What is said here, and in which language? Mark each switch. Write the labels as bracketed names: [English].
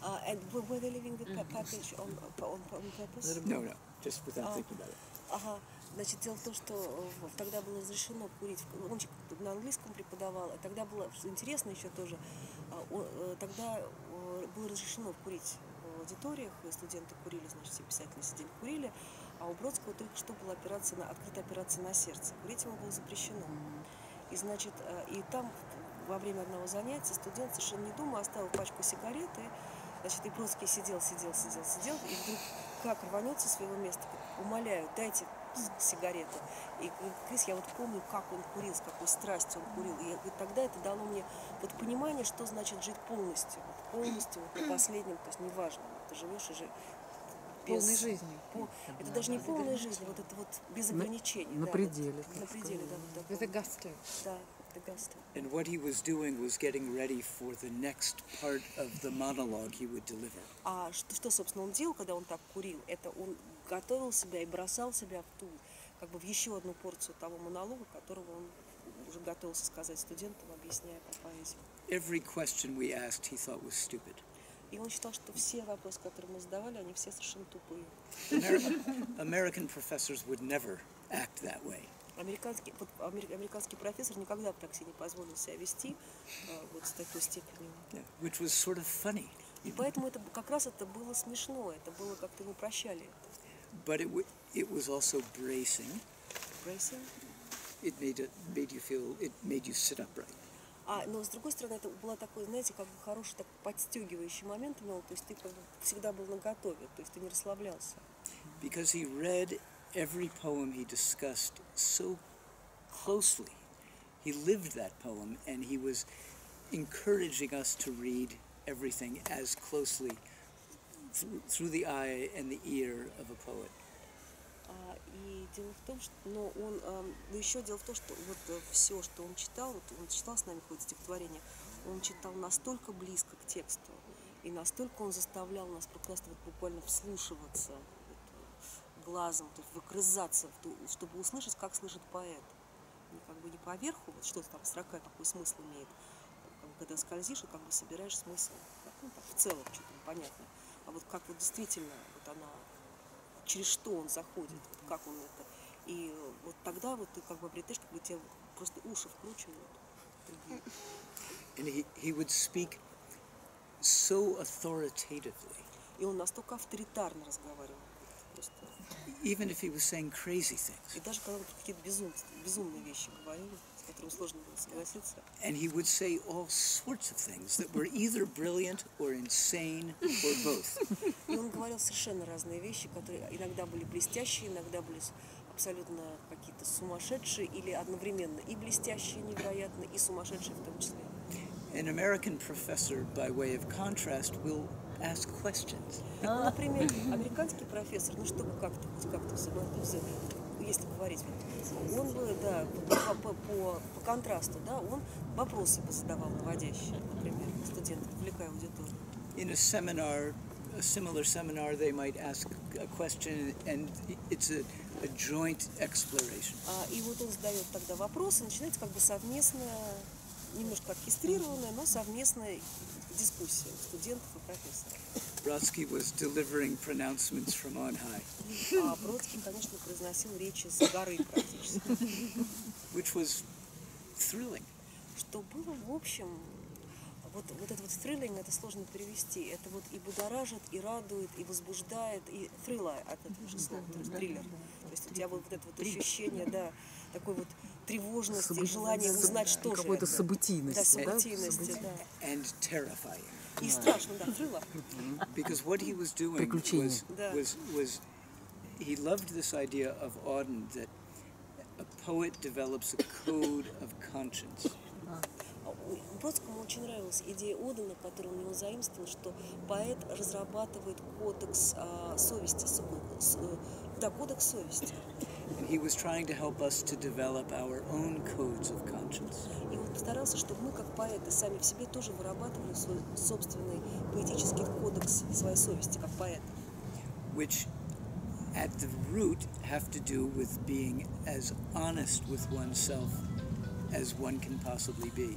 [English] And were they leaving the package on purpose? No, just without thinking about it. [Russian] Значит, дело в том, что тогда было разрешено курить. Он на английском преподавал, а тогда было интересно еще тоже. Тогда было разрешено курить в аудиториях, студенты курили, значит, все писатели сидели курили, а у Бродского только что была открытая операция на сердце. Курить ему было запрещено. И, значит, и там во время одного занятия студент совершенно не думал, оставил пачку сигареты, значит, и Бродский сидел, и вдруг как рванется со своего места, умоляю, дайте сигарету. И Крис, я вот помню, как он курил, с какой страстью он курил. И вот тогда это дало мне вот понимание, что значит жить полностью. Вот полностью, вот по последним, то есть неважно, ты живешь и же без... Полной жизни. Это даже не полная жизнь, вот это вот без ограничений. На пределе. На пределе, да. Это гасто. Да, это гасто. [English] And what he was doing was getting ready for the next part of the monologue he would deliver. [Russian] А что собственно, он делал, когда он так курил? Это он... готовил себя и бросал себя в ту, как бы в еще одну порцию того монолога, которого он уже готовился сказать студентам, объясняя про поэзию. [English] Every question we asked, he thought was stupid. [Russian] И он считал, что все вопросы, которые мы задавали, они все совершенно тупые. [English] American professors would never act that way. [Russian] Американский профессор никогда бы так себе не позволил себя вести вот с такой степенью. [English] Yeah, which was sort of funny. [Russian] И поэтому это как раз это было смешно, это было как-то мы прощали. [English] But it was also bracing. Bracing? It made you feel, it made you sit upright. [Russian] Но с другой стороны, это было такое, знаете, как бы хороший так подстегивающий момент, но, то есть ты как бы всегда был наготове, то есть ты не расслаблялся. [English] Because he read every poem he discussed so closely. He lived that poem, and he was encouraging us to read everything as closely through the eye and the ear of a poet. [Russian] И дело в том, что, но он, но еще дело в том, что вот все, что он читал, вот он читал с нами какое-то стихотворение, он читал настолько близко к тексту, и настолько он заставлял нас просто вот буквально вслушиваться вот, глазом, то есть выгрызаться, чтобы услышать, как слышит поэт. И как бы не поверху, вот что-то там строка какой смысл имеет, как бы, когда скользишь и как бы собираешь смысл, как, ну, так, в целом что-то непонятное. А вот как вот действительно вот она, через что он заходит, вот как он это. И вот тогда вот ты как бы обретаешь, как бы тебе просто уши вкручивают. And he would speak so authoritatively. И он настолько авторитарно разговаривал. Просто. [English] Even if he was saying crazy things. [Russian] И даже когда он какие-то безумные вещи говорил, с которыми сложно было согласиться. [English] And he would say all sorts of things that were either brilliant or insane or both. [Russian] И он говорил совершенно разные вещи, которые иногда были блестящие, иногда были абсолютно какие-то сумасшедшие или одновременно и блестящие невероятно и сумасшедшие в том числе. [English] An American professor, by way of contrast, will ask questions. [Russian] Ну, например, американский профессор, ну чтобы как-то хоть как-то взаимодействовать, если говорить, он бы, да, по контрасту, да, он вопросы бы задавал наводящие, например, студентам, отвлекая аудиторию. [English] In a seminar, a similar seminar, they might ask a question, and it's a joint exploration. [Russian] И вот он задает тогда вопросы, начинается как бы совместное немножко оркестрированная, но совместная дискуссия студентов и профессоров. [English] Бродский was delivering pronouncements from on high. [Russian] А Бродский, конечно, произносил речи с горы практически. [English] Which was thrilling. [Russian] Что было, в общем, вот это вот thrilling, это сложно перевести. Это вот и будоражит, и радует, и возбуждает, и thriller от этого же слова, то есть триллер. То есть у тебя вот это вот ощущение, да, такой вот тревожности, и желание узнать, что же это. Какой-то событийности, да? Да, событийности, да. [English] And terrifying. [Russian] И страшно, да, было. [English] Because what he was doing was he loved this idea of Auden that a poet develops a code of conscience. [Russian] Бродскому очень нравилась идея Одена, которую он его заимствовал, что поэт разрабатывает кодекс совести, да, кодекс совести. [English] And he was trying to help us to develop our own codes of conscience. [Russian] И он старался, чтобы мы, как поэты, сами в себе тоже вырабатывали свой собственный поэтический кодекс своей совести, как поэты. [English] Which at the root have to do with being as honest with oneself as one can possibly be.